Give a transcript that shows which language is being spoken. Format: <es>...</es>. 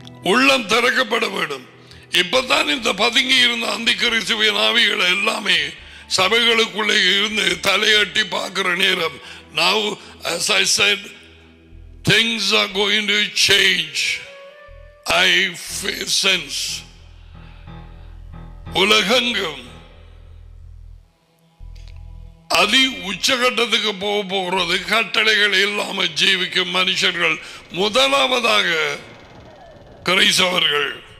<ta>உள்ளம் திறக்கப்பட வேண்டும். இப்பதான் இந்த பதுங்கி இருந்த அந்திகரிசுவின் ஆவிகள் எல்லாமே சபைகளுக்குள்ளே இருந்து தலையட்டி பார்க்கிற நேரம்.</ta> <en>Now, as I said, things are going to change. I sense</en> <ta>உலகங்கும் அதி உச்சகட்டத்துக்கு போக போகிறது. கட்டளைகள் இல்லாம ஜீவிக்கும் மனுஷர்கள் முதலாவதாக கிறிஸ்தவர்கள்.</ta>